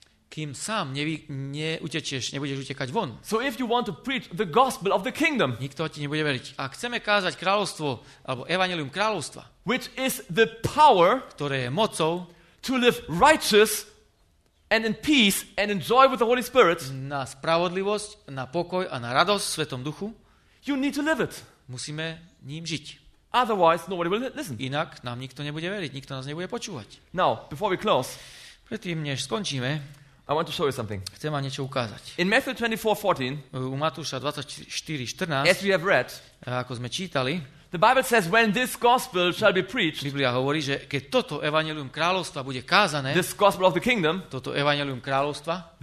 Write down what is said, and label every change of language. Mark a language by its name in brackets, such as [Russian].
[Slovak] Kým sám neutečieš, nebudeš utekať von. [English] So if you want to preach the gospel of the kingdom. [Slovak] Nikto ti nebude veriť. A chceme kázať kráľovstvo alebo evanjelium kráľovstva. [English] Which is the power, [Slovak] ktoré je mocou, [English] to live righteous and in peace and in joy with the Holy Spirit. [Slovak] Na spravodlivosť, na pokoj a na radosť v Svätom Duchu. [English] You need to live it. [Slovak] Musíme ním žiť. [English] Otherwise nobody will listen. [Slovak] Inak nám nikto nebude veriť, nikto nás nebude počúvať. [English] Now, before we close. [Slovak] Predtým, než skončíme. [English] I want to show you something. [Slovak] Chcem vám niečo ukázať. [English] In Matthew 24:14, [Slovak] u Matúša 24:14, [English] as we have read, [Slovak] ako sme čítali, [English] the Bible says when this gospel shall be preached. [Slovak] Biblia hovorí, že keď toto evanjelium kráľovstva bude kázané, [English] this gospel of the kingdom, [Slovak] toto evanjelium kráľovstva,